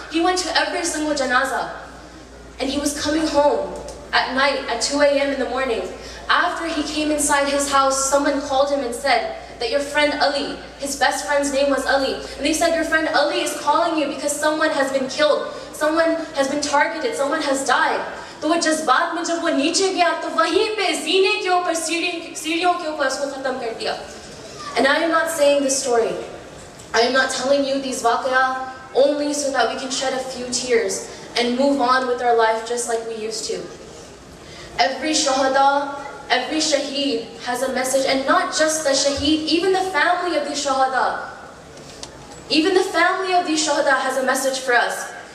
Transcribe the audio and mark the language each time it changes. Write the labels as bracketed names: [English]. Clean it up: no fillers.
[English] He went to every single janaza. And he was coming home at night at 2 a.m. in the morning. After he came inside his house, someone called him and said that your friend Ali, his best friend's name was Ali. And they said, your friend Ali is calling you because someone has been killed. Someone has been targeted, someone has died. [Hindi] तो वो जज्बात में जब वो नीचे गया तो वहीं पे जीने के ऊपर सीढ़ियों के ऊपर उसको खत्म कर दिया. [English] And I am not saying this story. I am not telling you these waqia only so that we can shed a few tears and move on with our life just like we used to. Every shahada, every shaheed has a message, and not just the shaheed, even the family of these shahada has a message for us.